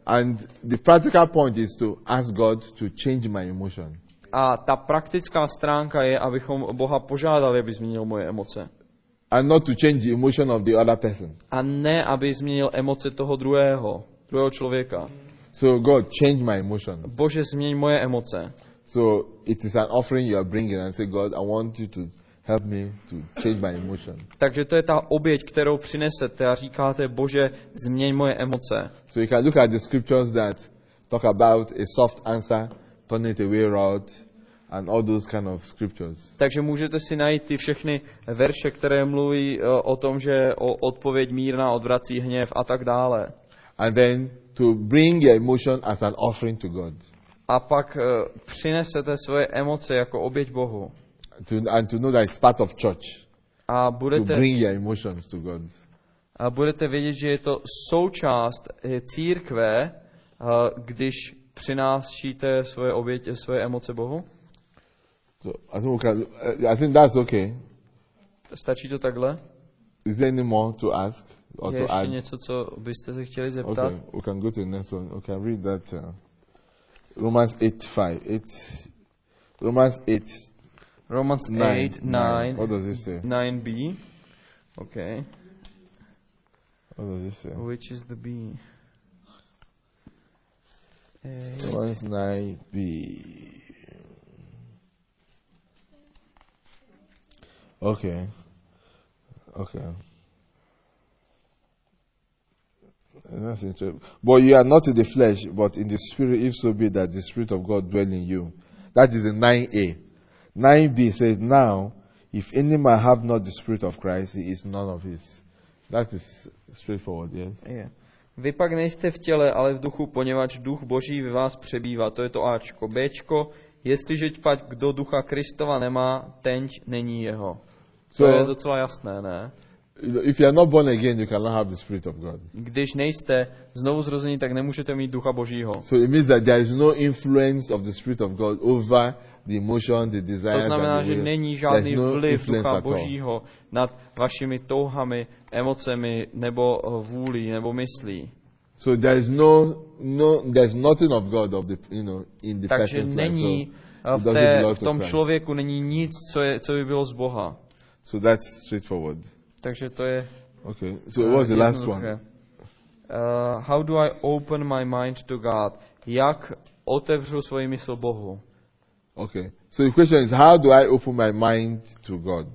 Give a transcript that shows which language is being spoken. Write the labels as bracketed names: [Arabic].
[English] And the practical point is to ask God to change my emotion. [Czech] A ta praktická stránka je, abychom Boha požádali, aby změnil moje emoce. [English] And not to change the emotion of the other person. [Czech] A ne, aby změnil emoce toho druhého člověka. [English] So God, change my emotion. [Czech] Bože, změň moje emoce. [English] So it is an offering you are bringing and say, God, I want you to help me to change my emotion. [Czech] Takže to je ta oběť, kterou přinesete a říkáte, Bože, změň moje emoce. [English] So you can look at the scriptures that talk about a soft answer, turn it away wrath, and all those kind of scriptures. [Czech] Takže můžete si najít ty všechny verše, které mluví o tom, že odpověď mírná odvrací hněv a tak dále. [English] And then to bring your emotion as an offering to God. [Czech] A pak přinesete svoje emoce jako oběť Bohu. [English] And to know that it's part of church. [Czech] A budete, [English] to bring your emotions to God. [Czech] A budete vědět, že je to součást církve, když přinášíte svoje oběti, svoje emoce Bohu? [English] So, I think that's okay. [Czech] Stačí to takhle? [English] Is there any more to ask? [Czech] Or je to ještě add? Něco, co byste se chtěli zeptat? [English] Okay, we can go to the next one. We can read that Romans 8:5. Romans 8, 9. What does it say? 9b. Okay. What does it say? Which is the B? Romans 9b. Okay. That's interesting. But you are not in the flesh, but in the spirit, if so be that the spirit of God dwell in you. That is in 9a. 9b says, now, if any man have not the Spirit of Christ, he is none of his. That is straightforward, yes? Yeah. [Czech] Vy pak nejste v těle, ale v duchu, poněvadž duch Boží ve vás přebývá. To je to Ačko. Bčko, jestliže pak kdo ducha Kristova nemá, tenč není jeho. To je docela jasné, ne? [English] If you are not born again, you cannot have the Spirit of God. [Czech] Když nejste znovu zrození, tak nemůžete mít Ducha Božího. [English] So it means that there is no influence of the Spirit of God over the emotion, the desire. [Czech] To znamená, že není žádný vliv Ducha Božího nad vašimi touhami, emocemi nebo vůlí nebo myslí. [English] So there is no there's nothing of God of the, you know, in the person. [Czech] Takže není v tom člověku není nic, co by bylo z Boha. [English] So that's straightforward. [Czech] Takže to je. [English] Okay. So what was the last one? How do I open my mind to God? [Czech] Jak otevřu svoji mysl Bohu? [English] Okay. So the question is, how do I open my mind to God?